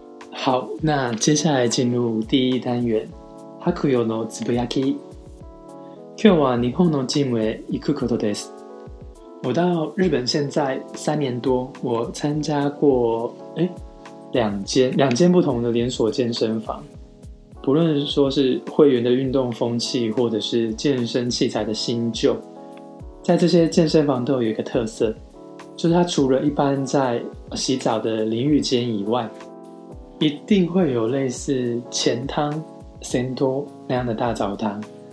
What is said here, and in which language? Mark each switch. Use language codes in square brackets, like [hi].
[zh] 好，那接下来进入第一单元，ハクヨのつぶやき。 [ja] 今日は日本のジムへ行くことです。 [zh] 我到日本现在3年多，我参加过两间不同的连锁健身房，不论说是会员的运动风气，或者是健身器材的新旧，在这些健身房都有一个特色，就是它除了一般在洗澡的淋浴间以外，一定会有类似前汤、前多那样的大澡堂。